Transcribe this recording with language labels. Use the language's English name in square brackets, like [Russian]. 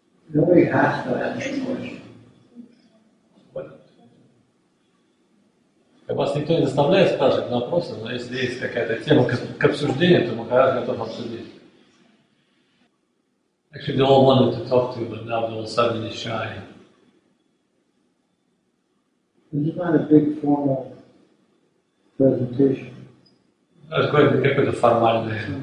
[English] Nobody has to answer questions. [Russian] Вас никто не заставляет спрашивать вопросы, но если есть какая-то тема к обсуждению, то мы хорошо готовы обсудить. [English] Actually, they all wanted to talk to you, but now they're all suddenly shy. This is not a big formal presentation. That's quite a bit of formality.